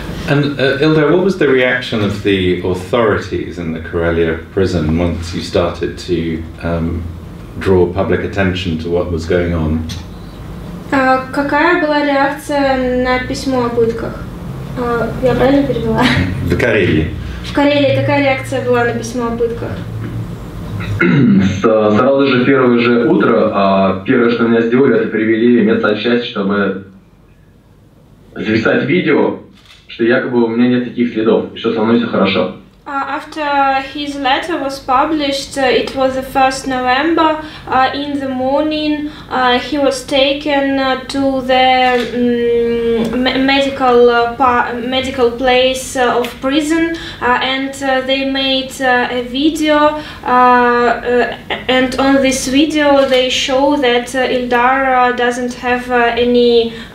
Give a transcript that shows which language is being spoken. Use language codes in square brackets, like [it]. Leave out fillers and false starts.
[en] And Ildar, what was the reaction of the authorities in the Karelia prison once you started to draw public attention to what was going on? [ru] Какая была реакция на письмо о пытках? Я правильно перевела? В Карелии. В Карелии какая реакция была на письмо о пытках? Сразу же первое же утро, первое, что меня сделали, это привели медсанчасть, чтобы записать видео, что якобы у меня нет таких следов, и что со мной все хорошо. [en] After his letter was published, it was the 1st November, in the morning he was taken to the medical place of prison, and they made a video, and on this video they show that Ildar doesn't have any